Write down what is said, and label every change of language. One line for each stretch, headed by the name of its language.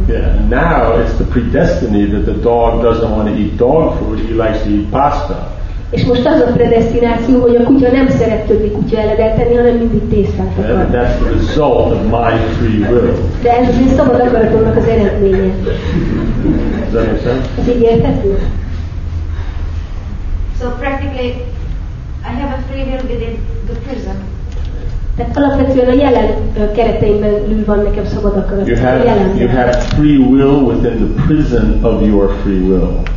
English: Yeah, now it's the predestiny that the dog doesn't want to eat dog food, he likes to eat pasta.
Hungarian: És most az a predestináció, hogy a kutya nem szeret többi kutya eledelt enni, hanem mindig tésztát akar.
English: Yeah, but that's the result of my free will.
Hungarian: De ez az én szabad akaratomnak az eredménye.
English: Does that make sense?
Hungarian: Ez így érthető?
English: So practically, I have a free will within the prison.
Hungarian: Tehát alapvetően a jelen keretein belül van nekem szabad akarat.
English: You have free will within the prison of your free will.